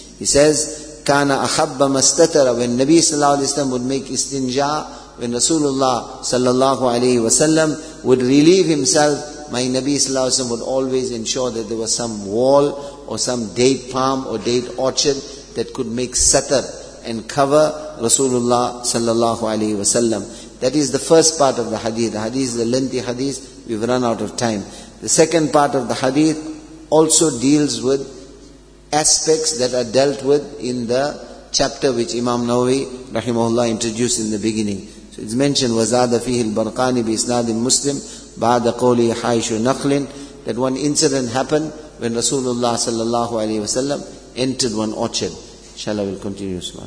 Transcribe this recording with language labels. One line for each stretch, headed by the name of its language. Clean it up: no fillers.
English: He says, kana akhabba mastatara. When Nabi sallallahu alayhi wa sallam would make istinja, when Rasulullah sallallahu alayhi wa sallam would relieve himself, my Nabi sallallahu alayhi wa sallam would always ensure that there was some wall or some date palm or date orchard that could make satar and cover Rasulullah sallallahu alayhi wa sallam. That is the first part of the hadith. The hadith is a lengthy hadith. We've run out of time. The second part of the hadith also deals with aspects that are dealt with in the chapter which Imam Nawawi rahimahullah introduced in the beginning.
Arabic: So it's mentioned, وَزَادَ فِيهِ الْبَرْقَانِ بِإِسْنَادِ مُسْلِمِ بَعْدَ قَوْلِ حَائِشُ نَخْلٍ.
English: That one incident happened when Rasulullah sallallahu alayhi wa sallam entered one orchard. Inshallah, we'll continue.